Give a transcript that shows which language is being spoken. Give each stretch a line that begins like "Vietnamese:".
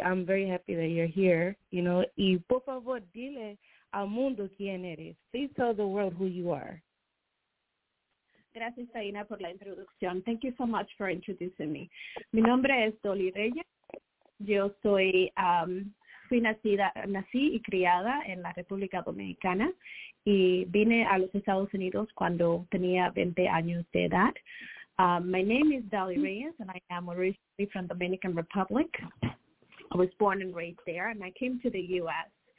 English: I'm very happy that you're here, you know.
Spanish: Y por favor, dile al mundo quién eres.
English: Please tell the world who you are.
Spanish: Gracias, Taina, por la introducción.
English: Thank you so much for introducing me.
Spanish: Mi nombre es Dali Reyes. Yo soy, nací y criada en la República Dominicana. Y vine a los Estados Unidos cuando tenía 20 años de edad.
English: My name is Dali Reyes, and I am originally from Dominican Republic. I was born and raised there, and I came to the U.S.